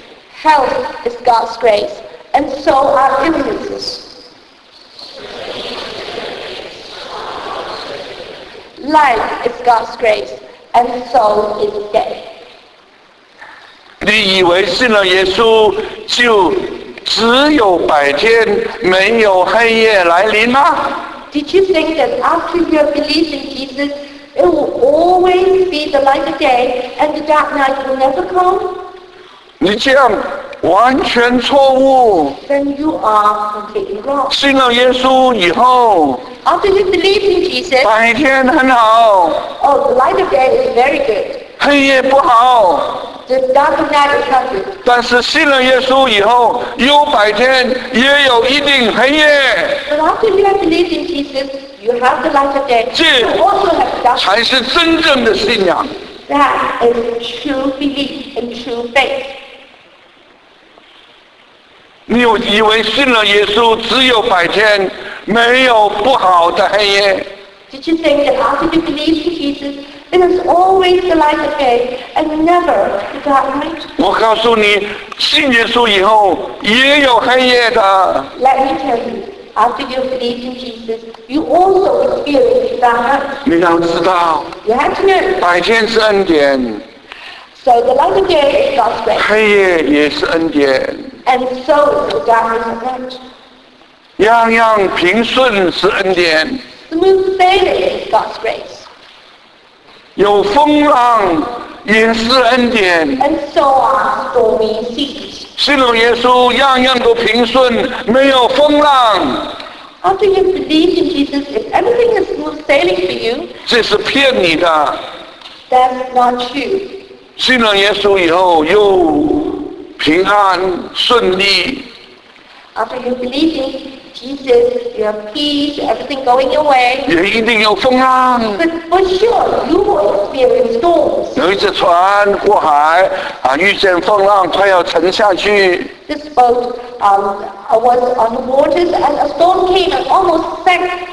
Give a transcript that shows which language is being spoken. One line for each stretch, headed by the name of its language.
English: Health is God's grace, and so are illnesses. Life is God's grace, and so is death.
Chinese: 你以为信了耶稣就只有白天没有黑夜来临吗？
English: Did you think that after your belief in Jesus, it will always be the light of day, and the dark night will never come?
Chinese: 你这样完全错误。
English: Then you are completely wrong.
Chinese: 信了耶稣以后，
English: After you believe in Jesus,
Chinese: 白天很好。
English: Oh, the light of day is very good.
Chinese: 黑夜不好。
English: The dark night is not good.
Chinese: 但是信了耶稣以后，有白天也有一定黑夜。
English: But after you have believed in Jesus, you have the light of day.
Chinese: 这才是真正的信仰。
English: That is true belief and true faith.
Chinese: 你以为信了耶稣只有白天，没有不好的黑夜。
English: Did you think that after you believe in Jesus, It is always the light of day and never the darkness.
Chinese: 我告诉你，信耶稣以后也有黑夜的。
English: Let me tell you, after you believe in Jesus, you also experience darkness.
Chinese: 你要知道。
English: You have to know.
Chinese: 白天是恩典。
English: So the light of day is God's grace.
Chinese: 黑夜也是恩典。
English: And so is the darkness of night.
Chinese: 样样平顺是恩典。
English: Smooth sailing is God's grace.
Chinese: 有风浪也是恩典。
English: And so are stormy seas.
Chinese: 信了耶稣，样样都平顺，没有风浪。
English: After you believe in Jesus, if everything is smooth sailing for you,
Chinese: 这是骗你的。
English: That's not true.
Chinese: 信了耶稣以后又平安顺利。
English: After you believe in Jesus, you have peace, everything going your way.
Chinese: 也一定有风浪。
English: But for sure, you will experience storms.
Chinese: 有一只船过海，遇见风浪，快要沉下去。
English: This boat, was on the waters and a storm came and almost sank.